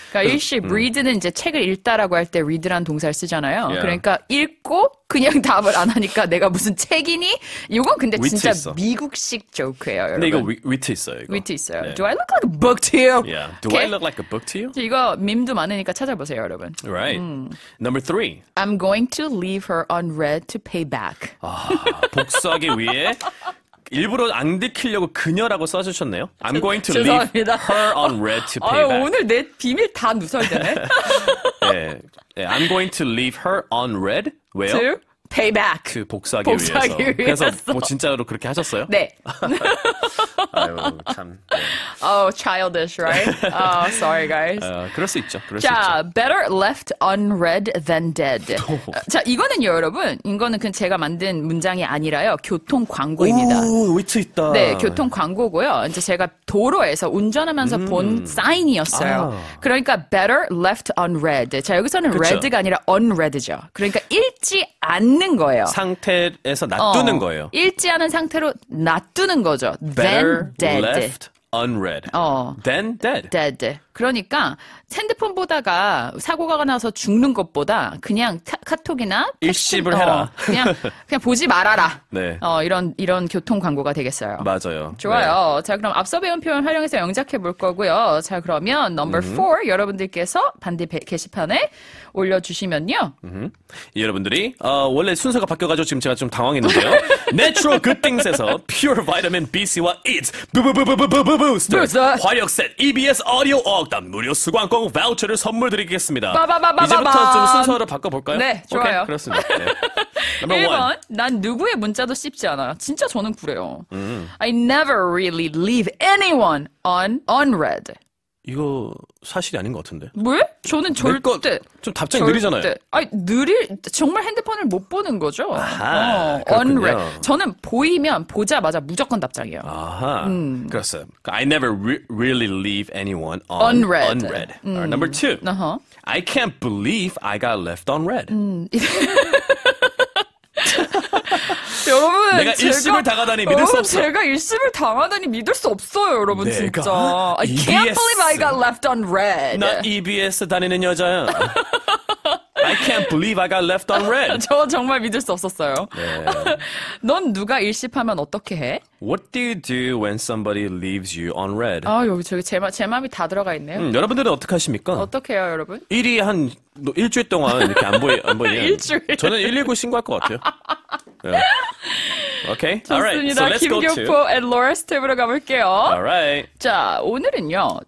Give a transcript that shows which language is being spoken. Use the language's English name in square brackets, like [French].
[Korean] 그러니까 일십 read는 이제 책을 읽다라고 할 때 read라는 동사를 쓰잖아요. [English] Yeah. [Korean] 그러니까 읽고 그냥 답을 안 하니까 내가 무슨 책이니? 이건 근데 진짜 있어. 미국식 조크예요, 여러분. 근데 이거 위트 있어요, 이거. 위트 있어요. [English] Yeah. Do I look like a book to you? Yeah. Do okay? I look like a book to you? [Korean] 이거 밈도 많으니까 찾아보세요, 여러분. [English] Right. Number three. I'm going to leave her on red to pay back. [Korean] 아, 복수하기 위해 일부러 안 들키려고 그녀라고 써주셨네요. [English] I'm going to leave her on red to pay 아유, back. [Korean] 오늘 내 비밀 다 누설되네. 네, 네, [English] I'm going to leave her on red. [Korean] 왜요? [English] To pay back. [Korean] 그 복수하기, 복수하기 위해서. 위해서. 그래서 뭐 진짜로 그렇게 하셨어요? 네. 아유, 참. 네. [English] Oh, childish, right? Oh, sorry, guys. [Korean] 그럴 수 있죠. 그럴 자, 수 있죠. [English] better left unread than dead. [Korean] 자, 이거는요, 여러분. 이거는 그냥 제가 만든 문장이 아니라요. 교통 광고입니다. 오, 위치 있다. 네, 교통 광고고요. 이제 제가 도로에서 운전하면서 본 사인이었어요. 아. 그러니까 [English] better left unread. [Korean] 자, 여기서는 그쵸. red가 아니라 unread죠. 그러니까 읽지 않는 거예요. 상태에서 놔두는 거예요. 읽지 않은 상태로 놔두는 거죠. [English] Better then dead. Left unread. Then dead. Dead. [Korean] 그러니까 핸드폰 보다가 사고가 나서 죽는 것보다 그냥 카톡이나 일시불 해라. 그냥 보지 말아라. 네. 이런 교통 광고가 되겠어요. 맞아요. 좋아요. 네. 자, 그럼 앞서 배운 표현 활용해서 영작해 볼 거고요. 자, 그러면 number 4 여러분들께서 반대 게시판에 올려주시면요. 여러분들이 원래 순서가 바뀌어가지고 지금 제가 좀 당황했는데요. Natural Good Things에서 Pure Vitamin BC와 EADS Booster 화력셋 EBS Audio 억단 무료 수강권 바우처를 선물 드리겠습니다. 이제부터 좀 순서를 바꿔볼까요? 네, 좋아요. 오케이, 그렇습니다. 네. 1번, 난 누구의 문자도 씹지 않아요. 진짜 저는 그래요. [English] I never really leave anyone on unread. [Korean] 이거 사실이 아닌 것 같은데. 왜? 저는 절대. 좀 답장이 절대. 느리잖아요. 아니, 느릴, 정말 핸드폰을 못 보는 거죠. 아하, 그렇군요. [English] Unread. [Korean] 저는 보이면 보자마자 무조건 답장이에요. 아하, 그렇습니다. [English] I never really leave anyone on unread. Unread. Right, number two. I can't believe I got left on red. [Korean] 여러분, 내가 일심을 당하다니 믿을 수 없어. 제가 일심을 당하다니 믿을 수 없어요, 여러분. 내가 진짜. [English] I can't believe I got left on red. [Korean] 나 EBS 다니는 여자야. [English] I can't believe I got left on red. [Korean] 저 정말 믿을 수 없었어요. 네. 넌 누가 일시하면 어떻게 해? [English] What do you do when somebody leaves you on red? [Korean] 아, 여기 저기 제 마음이 다 들어가 있네요. 여러분들은 어떻게 하십니까? 어떻게 해요, 여러분? 일이 한 일주일 동안 이렇게 안 보이면 일주일. 저는 119 신고할 것 같아요. [English] 네. Okay. [Korean] 좋습니다. [English] All right. So let's go to [Korean] 김교포 and Laura Steve로 가볼게요. [English] All right. [Korean] 자, 오늘은요.